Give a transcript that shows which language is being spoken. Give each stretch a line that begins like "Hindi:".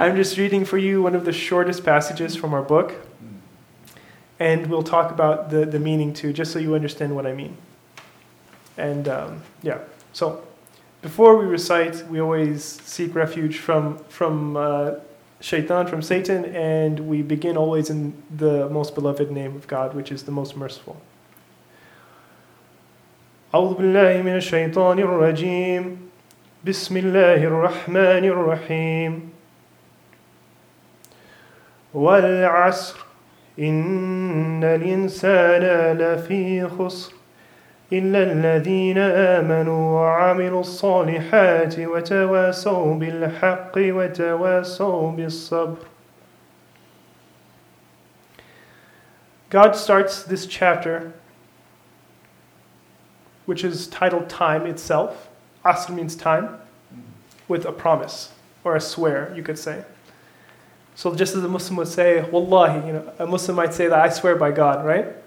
English: I'm just reading for you one of the shortest passages from our book. And we'll talk about the meaning too, just so you understand what I mean. And yeah, so before we recite, we always seek refuge from Shaitan, from Satan, and we begin always in the most beloved name of God, which is the most merciful.
Arabic: أعوذ بالله من الشيطان الرجيم بسم الله الرحمن الرحيم والعصر إن الإنسان لفي خسر إلا الذين آمنوا وعملوا الصالحات وتواصوا بالحق وتواصوا بالصبر.
English: God starts this chapter, which is titled Time Itself, Asr means time, with a promise, or a swear, you could say. So just as a Muslim would say, Wallahi, you know, a Muslim might say that I swear by God, right?